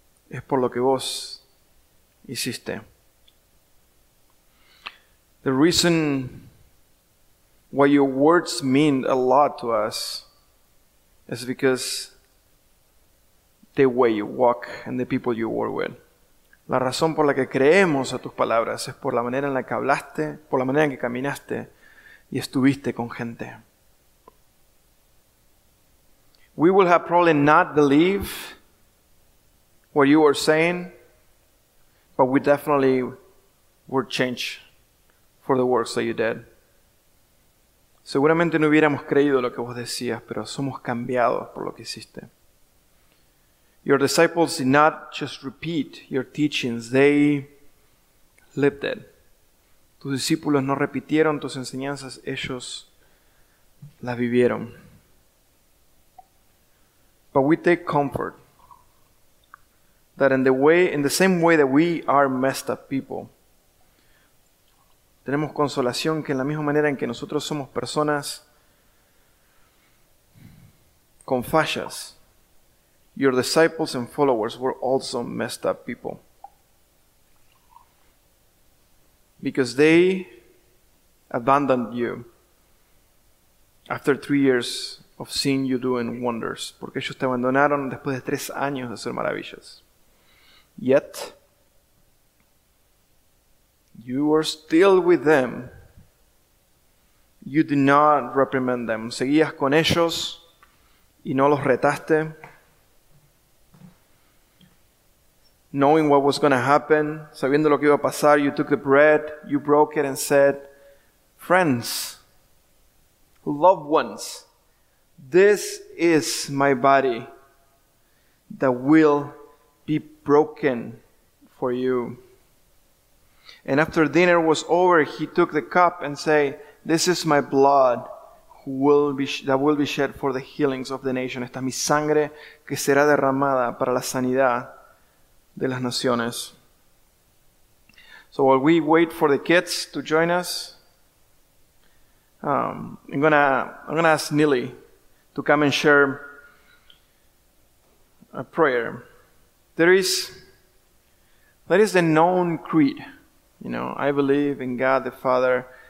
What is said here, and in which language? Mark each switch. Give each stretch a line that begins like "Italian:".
Spanish: Es por lo que vos hiciste.
English: The reason why your words mean a lot to us is because the way you walk and the people you work with.
Spanish: La razón por la que creemos a tus palabras es por la manera en la que hablaste, por la manera en que caminaste y estuviste con gente.
English: We will have probably not believed what you were saying, but we definitely were changed for the works that you did.
Spanish: Seguramente no hubiéramos creído lo que vos decías, pero somos cambiados por lo que hiciste.
English: Your disciples did not just repeat your teachings, they lived it.
Spanish: Tus discípulos no repitieron tus enseñanzas, ellos las vivieron.
English: But we take comfort that in the same way that we are messed up people,
Spanish: tenemos consolación que en la misma manera en que nosotros somos personas con fallas,
English: your disciples and followers were also messed up people. Because they abandoned you after 3 years of seeing you doing wonders.
Spanish: Porque ellos te abandonaron después de 3 años de hacer maravillas.
English: Yet, you were still with them. You did not reprimand them.
Spanish: Seguías con ellos y no los retaste.
English: Knowing what was going to happen,
Spanish: sabiendo lo que iba a pasar,
English: you took the bread, you broke it and said, friends, loved ones, this is my body that will be broken for you. And after dinner was over, he took the cup and said, this is my blood that will be shed for the healings of the nation.
Spanish: Esta es mi sangre que será derramada para la sanidad de las naciones.
English: So while we wait for the kids to join us, I'm gonna ask Neely to come and share a prayer. There is That is a known creed. You know, I believe in God the Father.